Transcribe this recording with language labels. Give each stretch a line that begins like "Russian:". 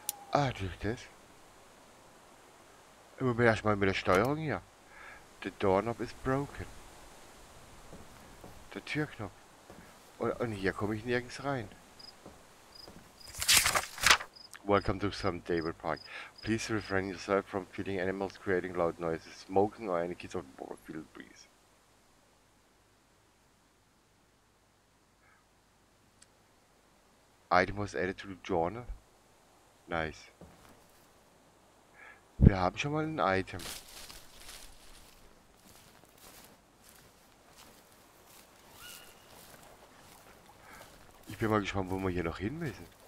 German: Ah, durch das. Ich muss mir erstmal mit der Steuerung hier.
English: The doorknob is broken.
German: Der Türknopf. Und hier komme ich nirgends rein.
English: Welcome to some David Park. Please refrain yourself from feeding animals, creating loud noises, smoking or any kinds of field breeze. Item was added to the journal. Nice.
German: Wir haben schon mal ein Item. Ich bin mal gespannt, wo wir hier noch hin müssen.